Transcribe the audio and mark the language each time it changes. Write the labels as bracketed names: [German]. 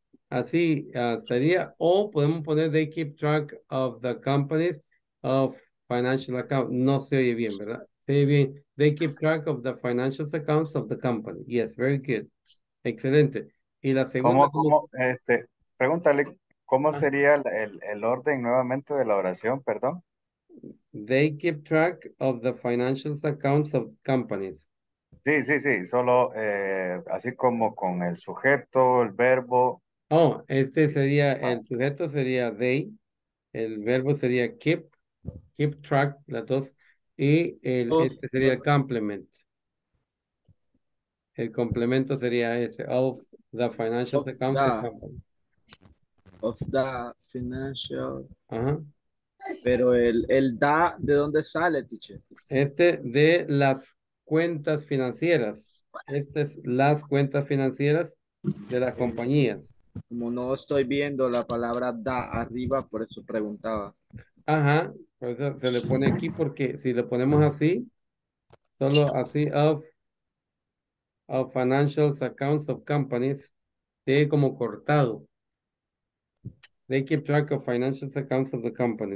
[Spanish] Así sería, o podemos poner [English] they keep track of the companies of financial account. [Spanish] No se oye bien, ¿verdad? Se oye bien. [English] They keep track of the financial accounts of the company. Yes, very good. [Spanish] Excelente. Y la segunda. Pregúntale, ¿cómo sería el orden nuevamente de la oración? Perdón. [English] They keep track of the financial accounts of companies. [Spanish] Sí. Solo así como con el sujeto, el verbo. Oh, este sería, el sujeto sería they, el verbo sería keep track, las dos, y este sería complement. El complemento sería ese, [English] of the financial account. Of the financial. [Spanish] Ajá. Pero el da, ¿de dónde sale, teacher? Este, de las cuentas financieras. Estas es las cuentas financieras de las compañías. Como no estoy viendo la palabra da arriba, por eso preguntaba. Ajá, por eso se le pone aquí, porque si le ponemos así, solo así, [English] of financial accounts of companies, [Spanish] sigue como cortado. [English] They keep track of financial accounts of the company.